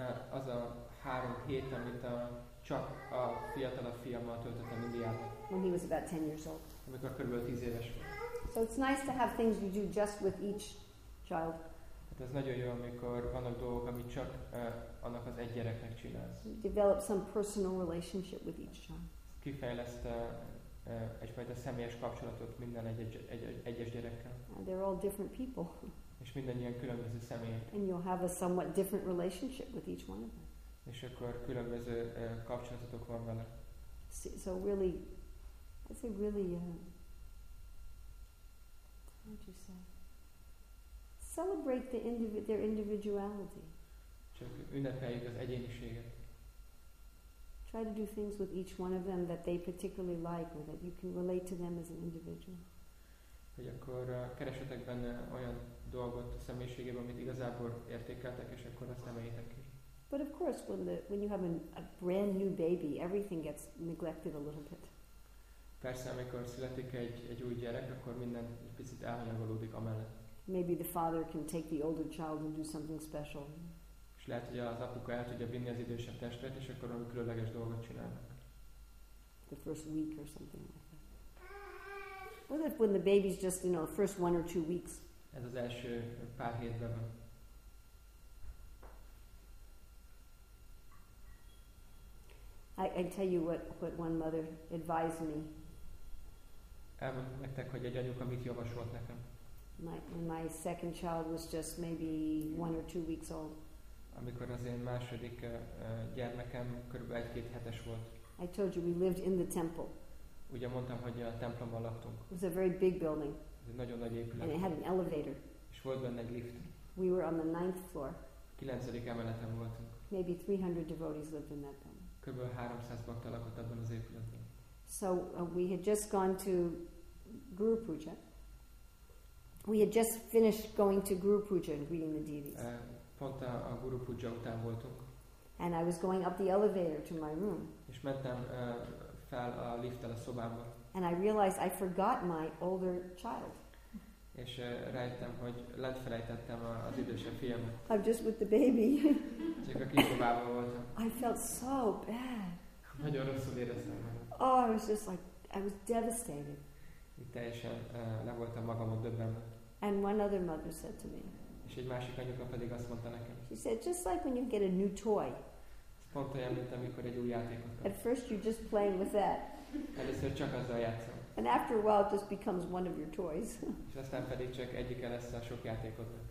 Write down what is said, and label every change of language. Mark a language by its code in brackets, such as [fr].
[hu] Az a 3 hét, amit csak a fiatalabb fiammal töltöttem Indiában. [en] When he was about 10 years old. [hu] Amikor körülbelül 10 éves volt. [en] So it's nice to have things you do just with each child. [hu] Hát ez nagyon jó, amikor vannak dolgok, amit csak annak az egy gyereknek csinálsz. [en] You develop some personal relationship with each child. [hu] Kifejleszt egyfajta személyes kapcsolatot minden egyes gyerekkel. [en] And they're all different people. [hu] És mindannyian különböző személyek. [en] And you'll have a somewhat different relationship with each one of them. [hu] És akkor különböző kapcsolatotok van vele. [en] So really, I say really, what'd you say? Celebrate their individuality. [hu] Csak ünnepeljük az egyéniséget. [en] Try to do things with each one of them that they particularly like or that you can relate to them as an individual. [hu] hogy akkor keresetek benne olyan dolgot a személyiségében, amit igazából értékeltek, és akkor azt emeljétek ki. [en] But of course, when you have a brand new baby, everything gets neglected a little bit. [hu] Persze, amikor születik egy új gyerek, akkor minden egy picit elhanyagolódik amellett. [en] Maybe the father can take the older child and do something special. [hu] És lehet, hogy az apuka el tudja vinni az idősebb testvért, és akkor valami különleges dolgot csinálnak. [en] The first week or something like that. What if when the baby's just, you know, the first one or two weeks? [hu] Ez az első pár hétben van. [en] I tell you what one mother advised me. [hu] Elmondom nektek, hogy egy anyuka mit javasolt nekem. [en] My second child was just maybe one or two weeks old. [hu] Amikor az én második gyermekem kb. 1-2 hetes volt. [en] I told you we lived in the temple. [hu] Ugye mondtam, hogy a templomban laktunk. [en] It was a very big building. [hu] Ez egy nagyon nagy épület. [en] And it had an elevator. [hu] És volt benne egy lift. [en] We were on the 9th floor. [hu] 9. emeleten voltunk. [en] Maybe 300 devotees lived in that building. [hu] Kb. 300 bakta lakott abban az épületben. [en] So we had just gone to Guru Puja. We had just finished going to Guru Puja and greeting the deities. [hu] Pont a Guru Puja után voltunk. [en] And I was going up the elevator to my room. [hu] És mentem fel a lifttel a szobámba. [en] And I realized I forgot my older child. [hu] És rájöttem, hogy lent felejtettem az idősebb fiamat. [en] I'm just with the baby. [hu] Csak a kiszobában voltam. [en] I felt so bad. [hu] Nagyon rosszul éreztem. [en] Oh, I was just like, I was devastated. [hu] Itt teljesen le voltam magamon döbbenve. [en] And one other mother said to me. [hu] És egy másik anyuka pedig azt mondta nekem. [en] She said, just like when you get a new toy. [hu] Pont olyan, mint amikor egy új játékot kap. [en] At first you're just playing with that. [hu] Először csak azzal játszom. [en] And after a while it just becomes one of your toys. [hu] És aztán pedig csak egyike lesz a sok játékodnak.